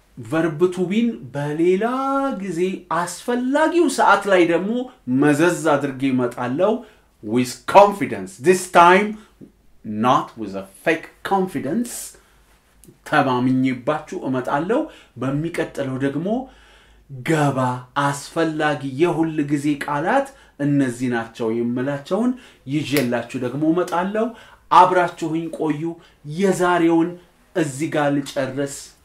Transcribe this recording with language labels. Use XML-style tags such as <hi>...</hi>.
<am>verb to be በሌላ ጊዜ አስፈላጊው ሰዓት ላይ ደግሞ መዘዝ አድርጌ መጣለው</am> <en>with confidence. This time not with a fake confidence.</en> <am>ተማምኜባችሁ እመጣለው. በሚቀጥለው ደግሞ ገባ አስፈላጊ የሁሉ ጊዜ ቃላት እነዚህ ናቸው የምላቸውን ይጀላችሁ ደግሞ እመጣለው. አብራችሁኝ ቆዩ የዛሬውን እዚህ ጋር ልጨርስ.</am>